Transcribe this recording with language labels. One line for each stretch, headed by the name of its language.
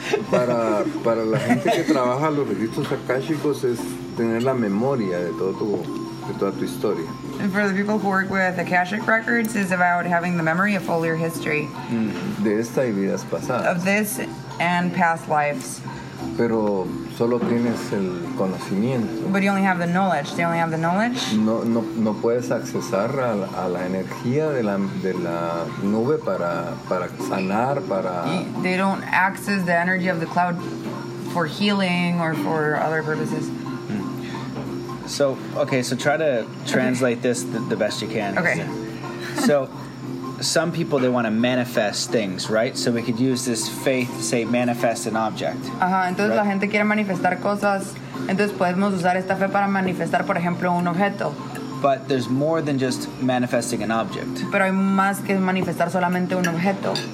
Spanish: Para la gente que trabaja los registros akáshicos es tener la memoria de toda tu historia.
English: And for the people who work with Akashic records is about having the memory of all your history.
Spanish: De esta y vidas pasadas.
English: Of this and past lives.
Spanish: Pero solo tienes el conocimiento.
English: But you only have the knowledge. They only have the knowledge.
Spanish: No puedes accesar a la energía de la nube para sanar, para...
English: They don't access the energy of the cloud for healing or for other purposes. So, okay, so try to translate this the best you can. Okay. So... Some people, they want to manifest things, right? So we could use this faith to say manifest an object.
Spanish: Uh-huh. Entonces right? La gente quiere manifestar cosas. Entonces podemos usar esta fe para manifestar, por ejemplo, un objeto.
English: But there's more than just manifesting an object.
Spanish: Pero hay más que manifestar solamente un objeto.